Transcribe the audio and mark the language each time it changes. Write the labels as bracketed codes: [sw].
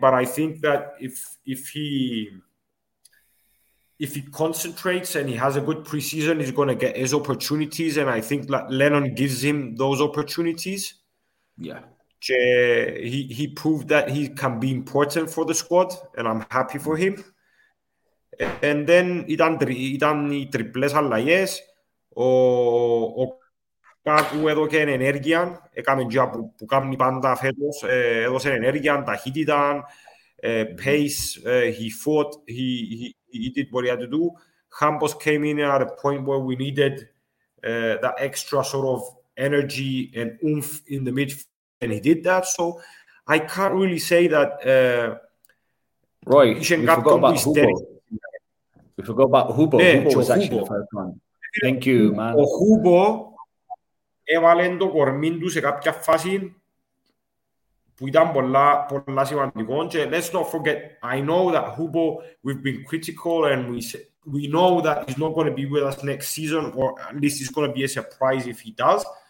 [en] But I think that if he concentrates and he has a good preseason, he's going to get his opportunities. And I think that Lennon gives him those opportunities. Yeah. He proved that he can be important for the squad, and I'm happy for him. And then [el] ήταν οι τριπλές αλλαγές. Ο Κάκου έδωκε ενέργεια. Έκαμε και που κάνει πάντα φέτος. Έδωσε ενέργεια, ταχύτητα, pace. [en] He fought. He did what he had to do. Χάμπος came in at a point where we needed that extra sort of energy and oomph in the midfield. And he did that. So I can't really say that... Roy, we forgot about Hugo. We forgot about Hubo. Yeah, Hubo was actually the first one. Thank you, man. [el] Ο Hubo έβαλε το κορμί του σε κάποια φάση που ήταν πολλά σημαντικό. [en] Let's not forget, I know that Hubo, we've been critical and we know that he's not going to be with us next season, or at least it's going to be a surprise if he does.